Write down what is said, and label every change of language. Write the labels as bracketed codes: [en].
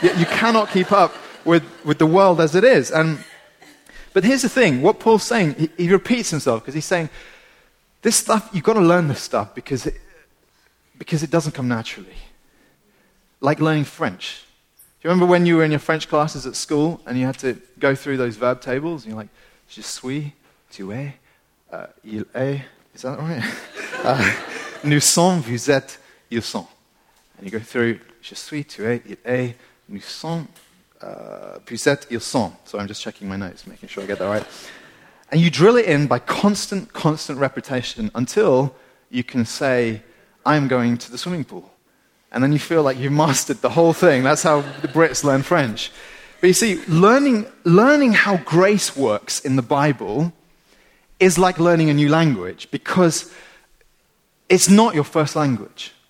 [en] You cannot keep up with the world as it is. But here's the thing, what Paul's saying, he repeats himself, because he's saying, this stuff, you've got to learn this stuff because it doesn't come naturally. Like learning French. Do you remember when you were in your French classes at school and you had to go through those verb tables? And you're like, [fr] je suis, tu es, il est, [en] is that right? [fr] Nous sommes, vous êtes, ils sont. [en] And you go through, [fr] je suis, tu es, il est, nous sommes, vous êtes, ils sont. [en] So I'm just checking my notes, making sure I get that right. And you drill it in by constant repetition until you can say, I'm going to the swimming pool. And then you feel like you've mastered the whole thing. That's how the Brits learn French. But you see, learning how grace works in the Bible is like learning a new language, because it's not your first language.